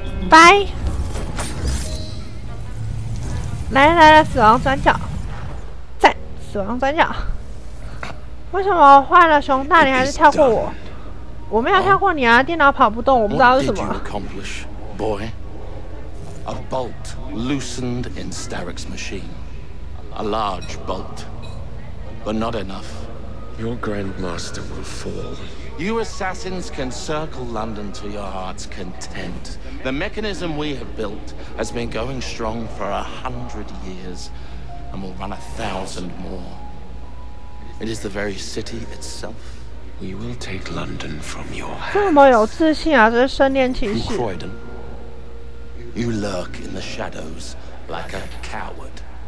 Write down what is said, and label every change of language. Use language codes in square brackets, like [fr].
[zh] 拜，来来来，死亡转角，赞，死亡转角。为什么换了熊大，你还是跳过我？我没有跳过你啊，电脑跑不动，我不知道是什么。 [en] What did you accomplish, boy? A bolt loosened in Starrick's machine, a large bolt, but not enough. Your Grandmaster will fall. You assassins can circle London to your heart's content. The mechanism we have built has been going strong for 100 years and will run 1,000 more. It is the very city itself. We will take London from your hands. [zh] 这么有自信啊，这是圣殿骑士。 [en] Croydon, you lurk in the shadows like a coward.